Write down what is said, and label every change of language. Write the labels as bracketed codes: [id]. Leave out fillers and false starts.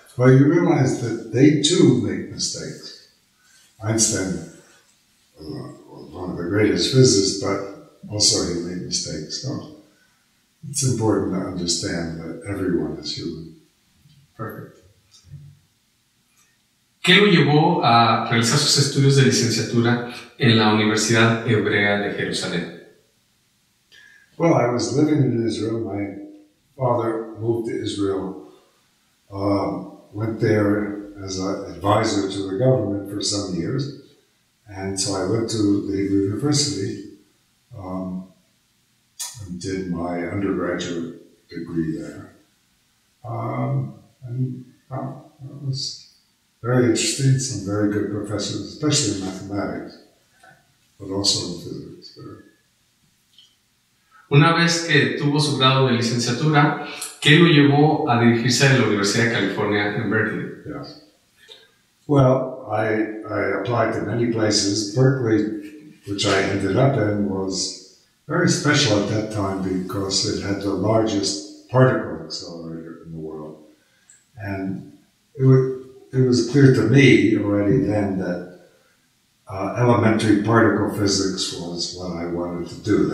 [en] Well, you realize that they too make mistakes. Einstein was one of the greatest physicists, but also he made mistakes. So it's important to understand that everyone is human. Perfect. [es] ¿Qué lo llevó a realizar sus estudios de licenciatura en la Universidad Hebrea de Jerusalén? [en] Well, I was living in Israel. My father moved to Israel, went there as an advisor to the government for some years, and so I went to the Hebrew University and did my undergraduate degree there. That was very interesting, some very good professors, especially in mathematics, but also in physics. [es] Una vez que tuvo su grado de licenciatura, ¿qué lo llevó a dirigirse a la Universidad de California en Berkeley? [en] Yes. Well, I applied to many places. Berkeley, which I ended up in, was very special at that time because it had the largest particle accelerator in the world. And it was clear to me already then that elementary particle physics was what I wanted to do.